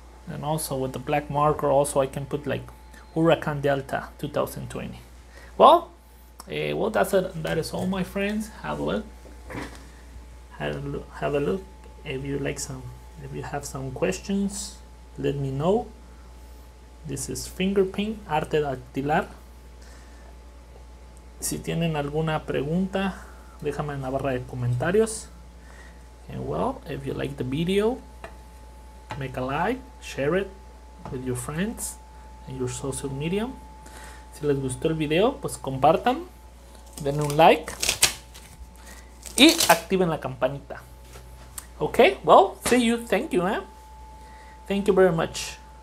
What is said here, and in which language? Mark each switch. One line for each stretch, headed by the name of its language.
English: And also with the black marker, also I can put like Huracan Delta 2020. Well, well, that's it. That is all, my friends. Have a look. If you have some questions, let me know. This is Fingerpaint, Arte Dactilar.
Spanish: Si tienen alguna pregunta, déjame en la barra de comentarios.
English: And well, if you like the video, make a like, share it with your friends and your social media.
Spanish: Si les gustó el video, pues compartan. Denle un like y activen la campanita.
English: Okay, well, see you. Thank you, man. Thank you very much.